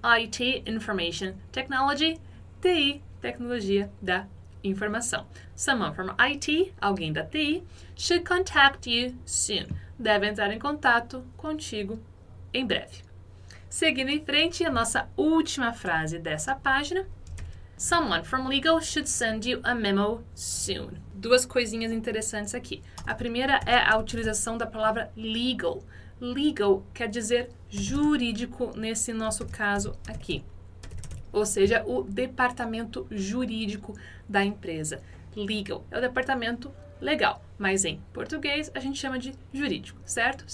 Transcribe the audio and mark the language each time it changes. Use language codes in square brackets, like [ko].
[pt] IT, Information Technology, TI, Tecnologia da Informação. [en] Someone from IT, [pt] alguém da TI, [en] should contact you soon. [pt] Deve entrar em contato contigo em breve. Seguindo em frente, a nossa última frase dessa página. [en] Someone from legal should send you a memo soon. [pt] Duas coisinhas interessantes aqui. A primeira é a utilização da palavra legal. Legal quer dizer jurídico nesse nosso caso aqui. Ou seja, o departamento jurídico da empresa. Legal é o departamento legal, mas em português a gente chama de jurídico, certo?